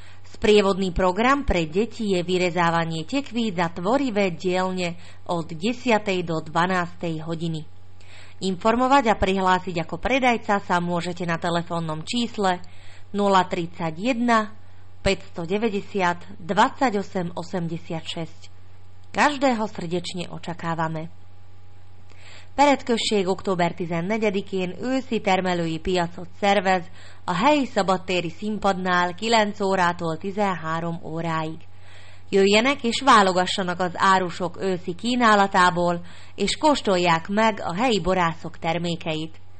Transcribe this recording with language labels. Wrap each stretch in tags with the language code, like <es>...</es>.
<sk>Sprievodný program pre deti je vyrezávanie tekví za tvorivé dielne od 10. do 12. hodiny. Informovať a prihlásiť ako predajca sa môžete na telefónnom čísle 031 590 28 86. Každého srdečne očakávame.</sk> <hu>Peredkösség október 14-én őszi termelői piacot szervez a helyi szabadtéri színpadnál 9 órától 13 óráig. Jöjjenek és válogassanak az árusok őszi kínálatából, és kóstolják meg a helyi borászok termékeit.</hu>